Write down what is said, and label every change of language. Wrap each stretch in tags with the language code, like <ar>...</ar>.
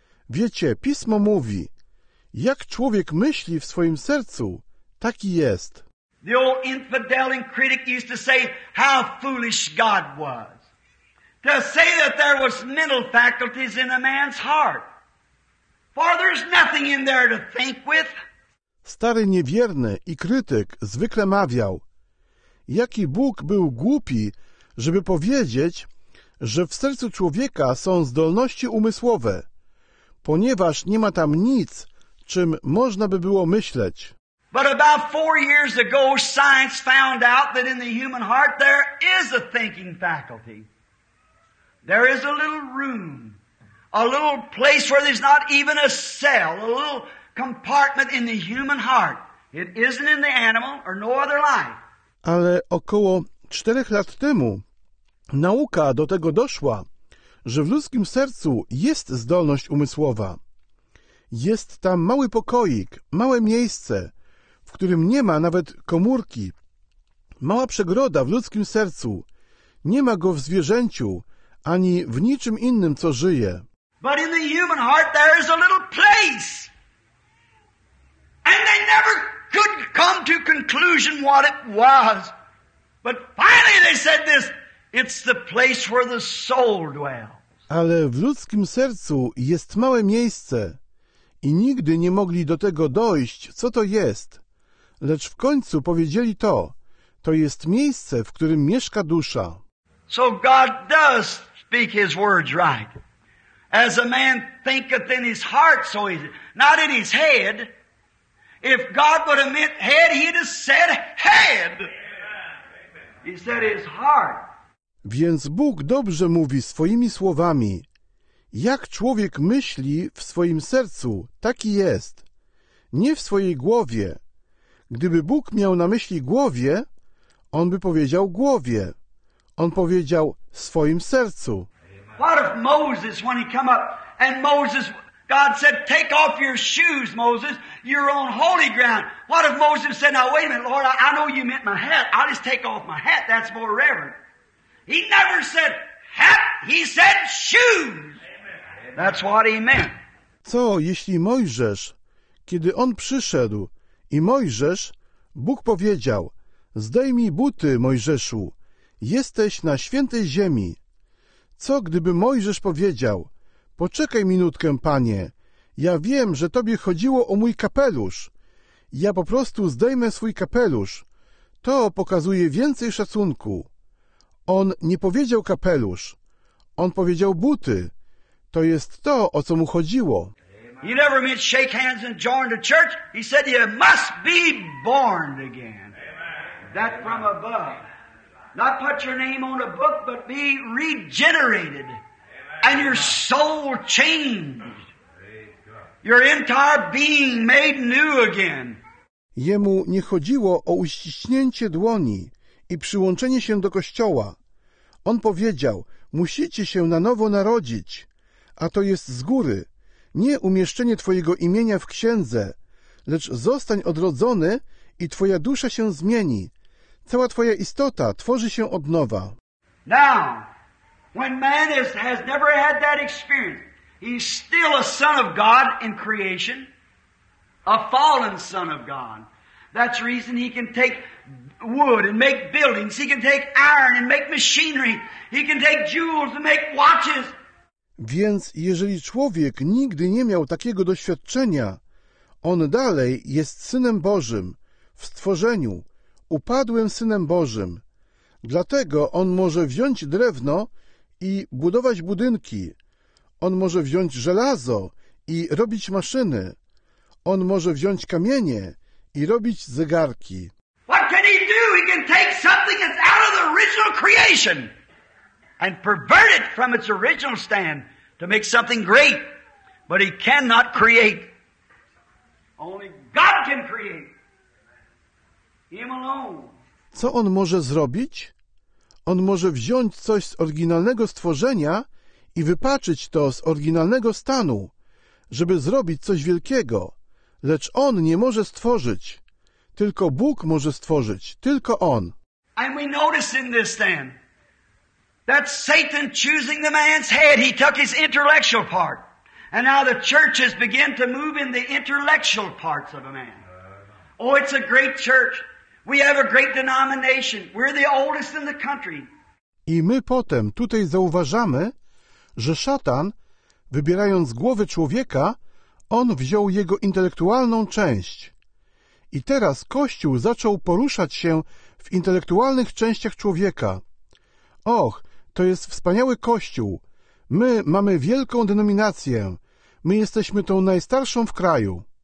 <pl>Wiecie, Pismo mówi, jak człowiek myśli w swoim sercu, taki jest.</pl> <en>The old infidel and critic used to say how foolish God was to say that there was mental faculties in a man's heart. For there's nothing in there to think with.</en> <pl>Stary niewierny i krytyk zwykle mawiał: jaki Bóg był głupi, żeby powiedzieć, że w sercu człowieka są zdolności umysłowe, ponieważ nie ma tam nic, czym można by było myśleć.</pl> <en>But about 4 years ago, science found out that in the human heart there is a thinking faculty. There is a little room, a little place where there's not even a cell, a little compartment in the human heart. It isn't in the animal or no other life.</en> <pl>Ale około 4 lat temu nauka do tego doszła, że w ludzkim sercu jest zdolność umysłowa. Jest tam mały pokoik, małe miejsce, w którym nie ma nawet komórki. Mała przegroda w ludzkim sercu. Nie ma go w zwierzęciu, ani w niczym innym, co żyje.</pl> <en>But in the human heart there is a little place. And they never could come to conclusion what it was. But finally they said this, it's the place where the soul dwells.</en> <pl>Ale w ludzkim sercu jest małe miejsce i nigdy nie mogli do tego dojść, co to jest. Lecz w końcu powiedzieli to, to jest miejsce, w którym mieszka dusza.</pl> <en>So God does speak his words right. As a man thinketh in his heart, so is it. Not in his head. If God would have meant head, he'd have said head. He said his heart.</en> <pl>Więc Bóg dobrze mówi swoimi słowami. Jak człowiek myśli w swoim sercu, taki jest. Nie w swojej głowie. Gdyby Bóg miał na myśli głowie, on by powiedział głowie. On powiedział w swoim sercu.</pl> <en>What if Moses, when he come up, and Moses, God said, take off your shoes, Moses, you're on holy ground. What if Moses said, now wait a minute, Lord, I know you meant my hat. I'll just take off my hat, that's more reverent. He never said hat, he said shoes. That's what he meant.</en> <pl>Co, jeśli Mojżesz, kiedy on przyszedł i Mojżesz, Bóg powiedział, zdejmij buty, Mojżeszu, jesteś na świętej ziemi. Co gdyby Mojżesz powiedział, poczekaj minutkę, panie, ja wiem, że tobie chodziło o mój kapelusz. Ja po prostu zdejmę swój kapelusz. To pokazuje więcej szacunku. On nie powiedział kapelusz. On powiedział buty. To jest to, o co mu chodziło.</pl> <en>He never meant shake hands and join the church. He said you must be born again. That from above. Not put your name on a book, but be regenerated. Amen. And your soul changed. Your entire being made new again.</en> <pl>Jemu nie chodziło o uściśnięcie dłoni i przyłączenie się do kościoła. On powiedział, musicie się na nowo narodzić, a to jest z góry. Nie umieszczenie twojego imienia w księdze, lecz zostań odrodzony i twoja dusza się zmieni. Cała twoja istota tworzy się od nowa.</pl> <en>Now, when man has never had that experience, he's still a son of God in creation, a fallen son of God. That's the reason he can take wood and make buildings, he can take iron and make machinery, he can take jewels and make watches.</en> <pl>Więc jeżeli człowiek nigdy nie miał takiego doświadczenia, on dalej jest Synem Bożym w stworzeniu, upadłym Synem Bożym. Dlatego on może wziąć drewno i budować budynki. On może wziąć żelazo i robić maszyny. On może wziąć kamienie i robić zegarki.</pl> <en>What can he do? He can take something that's out of the original creation and pervert it from its original stand to make something great. But he cannot create. Only God can create.</en> <pl>Co on może zrobić? On może wziąć coś z oryginalnego stworzenia i wypaczyć to z oryginalnego stanu, żeby zrobić coś wielkiego. Lecz on nie może stworzyć. Tylko Bóg może stworzyć. Tylko on.</pl> <en>And we notice in this then that Satan choosing the man's head, he took his intellectual part. And now the church has begun to move in the intellectual parts of a man. Oh, it's a great church. We have a great denomination. We're the oldest in the country.</en> <pl>I my potem tutaj zauważamy, że szatan, wybierając głowę człowieka, on wziął jego intelektualną część. I teraz Kościół zaczął poruszać się w intelektualnych częściach człowieka. Och, to jest wspaniały Kościół. My mamy wielką denominację. My jesteśmy tą najstarszą w kraju.</pl>